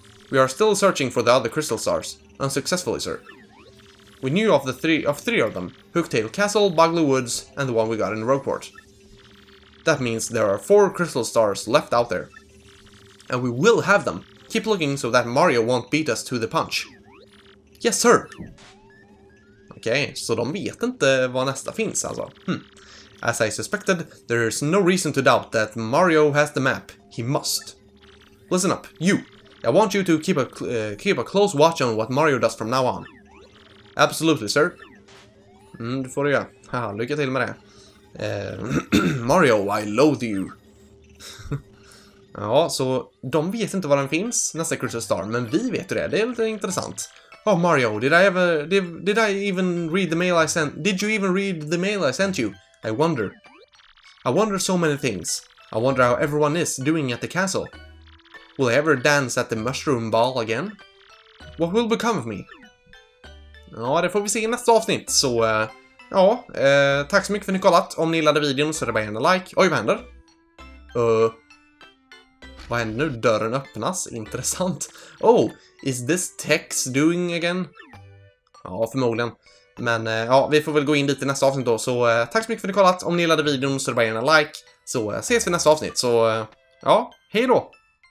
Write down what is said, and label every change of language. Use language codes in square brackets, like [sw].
[en] We are still searching for the other crystal stars, unsuccessfully, sir. We knew of three of them, Hooktail Castle, Bogly Woods, and the one we got in Rogueport. That means there are 4 crystal stars left out there. And we will have them. Keep looking so that Mario won't beat us to the punch. Yes, sir! [sv] Okay, so de vet inte vad nästa finns, alltså. [en] As I suspected, there is no reason to doubt that Mario has the map. He must. Listen up, you. I want you to keep a close watch on what Mario does from now on. Absolutely, sir. [sv] Det får du göra. Haha, lycka till med det. [en] Mario, I loathe you. [sv] Ja, så de vet inte var den finns, nästa crystal star, men vi vet ju det. Det är lite intressant. [en] Oh Mario, did I even read the mail I sent? Did you even read the mail I sent you? I wonder. I wonder so many things. I wonder how everyone is doing at the castle. Will I ever dance at the mushroom ball again? What will become of me? [sv] Ja, det får vi se i nästa avsnitt. Så, ja, tack så mycket för att ni kollat. Om ni gillade videon så är det bara en like. Oj, vad händer? Vad händer nu? Dörren öppnas. Intressant. [en] Oh, is this Tex doing again? [sv] Ja, förmodligen. Men ja, vi får väl gå in lite i nästa avsnitt då. Så tack så mycket för att ni kollat. Om ni gillade videon så är det bara en like. Så ses vi i nästa avsnitt. Så ja, hej då!